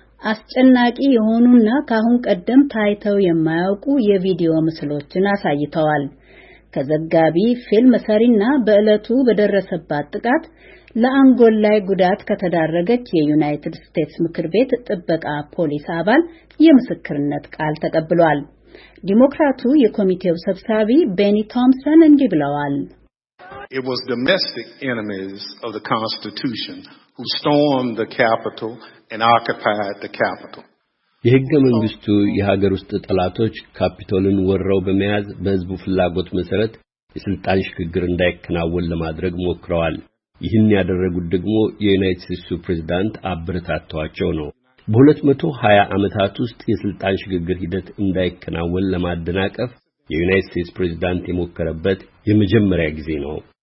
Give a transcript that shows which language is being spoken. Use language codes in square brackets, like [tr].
[am] አስጨናቂ የሆኑና ካሁን ቀደም ታይተው የማያውቁ የቪዲዮ ምስሎችን አሳይተዋል። ከዘጋቢ ፊልም ሰሪና በእለቱ በደረሰባት ጥቃት ለአንጎል ላይ ጉዳት ከተዳረገች የዩናይትድ ስቴትስ ምክር ቤት ጥበቃ ፖሊስ አባል የምስክርነት ቃል ተቀብሏል። ዲሞክራቱ የኮሚቴው ሰብሳቢ ቤኒ ቶምሰን እንዲህ ብለዋል። [en] It was domestic enemies of the Constitution who stormed the Capitol and occupied the Capitol. [am] የህገ መንግስቱ የሀገር ውስጥ ጠላቶች ካፒቶልን ወረው በመያዝ በህዝቡ ፍላጎት መሰረት የስልጣን ሽግግር እንዳይከናወን ለማድረግ ሞክረዋል። ይህን ያደረጉት ደግሞ የዩናይትድ ስቴትስ ፕሬዝዳንት አብርታቷቸው ነው። በ220 አመታት ውስጥ የስልጣን ሽግግር ሂደት እንዳይከናወን ለማደናቀፍ የዩናይትድ ስቴትስ ፕሬዝዳንት የሞከረበት የመጀመሪያ ጊዜ ነው።